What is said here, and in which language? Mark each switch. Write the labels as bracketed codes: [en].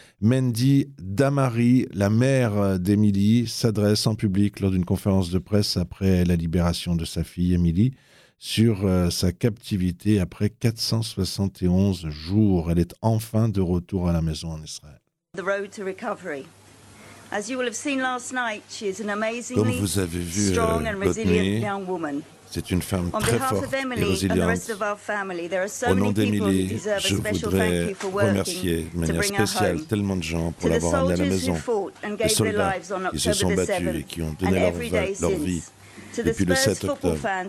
[fr] Mendy Damari, la mère d'Emily, s'adresse en public lors d'une conférence de presse après la libération de sa fille Emily sur sa captivité après 471 jours. Elle est enfin de retour à la maison en Israël. [en] The road to recovery. As you will have seen last night, she is an amazingly [fr] comme vous avez vu, [en] strong and resilient young woman. [fr] C'est une femme très forte et résiliente. Au nom d'Emily, je voudrais remercier de manière spéciale tellement de gens pour l'avoir amenée à la maison. Les soldats qui se sont battus et qui ont donné leur vie depuis le 7 octobre.